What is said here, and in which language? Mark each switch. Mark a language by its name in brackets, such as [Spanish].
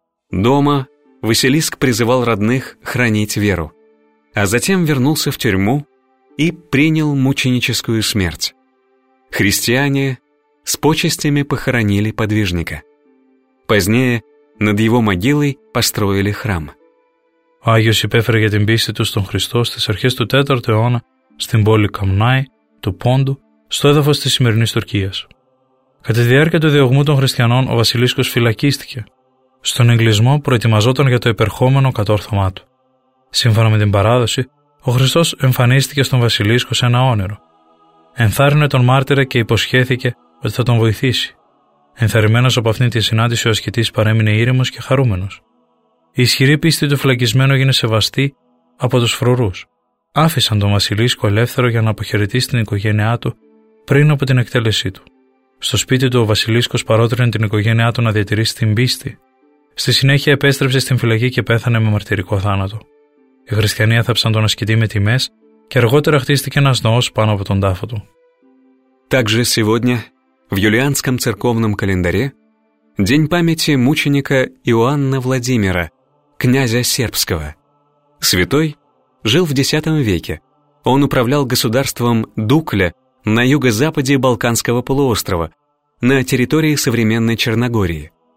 [Russian] Дома Василиск призывал родных хранить веру, а затем вернулся в тюрьму и принял мученическую смерть. Христиане с почестями похоронили подвижника. Позднее над его могилой построили храм. [Greek] Ο Άγιος υπέφερε για την πίστη του στον Χριστό στις αρχές του 4ου αιώνα στην πόλη Καμνάη του Πόντου, στο έδαφος της σημερινής Τουρκίας. Κατά τη διάρκεια του διωγμού των χριστιανών, ο Βασιλίσκος φυλακίστηκε. Στον εγκλεισμό προετοιμαζόταν για το επερχόμενο κατόρθωμά του. Σύμφωνα με την παράδοση, ο Χριστός εμφανίστηκε στον Βασιλίσκο σε ένα όνειρο. Ενθάρρυνε τον μάρτυρα και υποσχέθηκε ότι θα τον βοηθήσει. Ενθαρρυμένος από αυτήν τη συνάντηση, ο ασκητής παρέμεινε ήρεμος και χαρούμενος. Η ισχυρή πίστη του φυλακισμένου έγινε σεβαστή από τους φρουρούς. Άφησαν τον Βασιλίσκο ελεύθερο για να αποχαιρετήσει την οικογένειά του πριν από την εκτέλεσή του. Στο σπίτι του, ο Βασιλίσκος παρότρινε την οικογένειά του να διατηρήσει την πίστη. Στη συνέχεια, επέστρεψε στην φυλακή και πέθανε με μαρτυρικό θάνατο. Οι χριστιανοί έθαψαν τον ασκητή με τιμές και αργότερα χτίστηκε ένας ναός πάνω από τον τάφο του. [Russian] Также сегодня в юлианском церковном календаре день памяти мученика Иоанна Владимира, князя сербского. Святой жил в X веке. Он управлял государством Дукля на юго-западе Балканского полуострова, на территории современной Черногории.